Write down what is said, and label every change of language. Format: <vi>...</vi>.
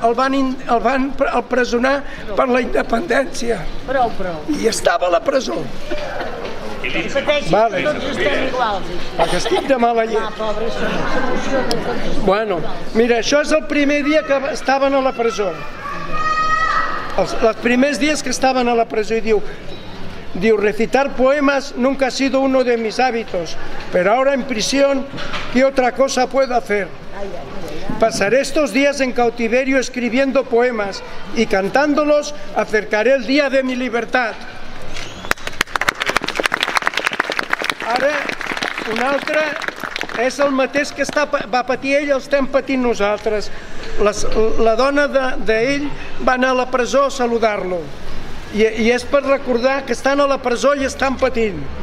<ca>El van empresonar per la independència. Prou. I estava a la presó. Vale. Tots estem iguals. Perquè estic de mala llet. Bueno, mira, això és el primer dia que estaven a la presó. Els primers dies que estaven a la presó i diu,</ca> <es>recitar poemas nunca ha sido uno de mis hábitos, pero ahora en prisión, ¿qué otra cosa puedo hacer? Pasaré estos días en cautiverio escribiendo poemas y cantándolos acercaré el día de mi libertad.</es> <ca>Ara, un altre, és el mateix que va patir ell, el estem patint nosaltres. La dona d'ell va anar a la presó a saludar-lo. I és per recordar que estan a la presó i estan patint.</ca>